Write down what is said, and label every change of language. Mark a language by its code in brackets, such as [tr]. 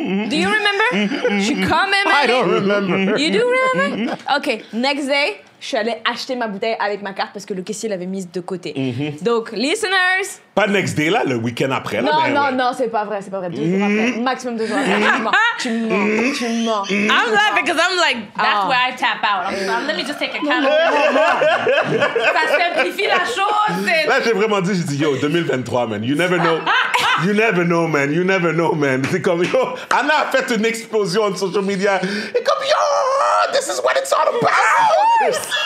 [en] Do you remember? [fr] Je suis quand même allée. [en] I don't remember. You do remember? [fr] OK, [en] next day, [fr] je suis allée acheter ma bouteille avec ma carte parce que le caissier l'avait mise de côté. Mm-hmm. Donc, listeners... Pas [en] next day, [fr] là, le week-end après. Là, non, ben, non, ouais. Non, c'est pas vrai, c'est pas vrai. Deux jours après, maximum deux jours après. Tu mens. [en] I'm laughing because I'm like, that's where I tap out. Let me just take a calendar. [fr] Ça simplifie la chose. Là, j'ai vraiment dit, j'ai dit, yo, 2023, man, [en] you never know. You never know, man, you never know, man. [fr] C'est comme, yo, Anna a fait une explosion sur social media. C'est comme, [en] yo, this is what it's all about.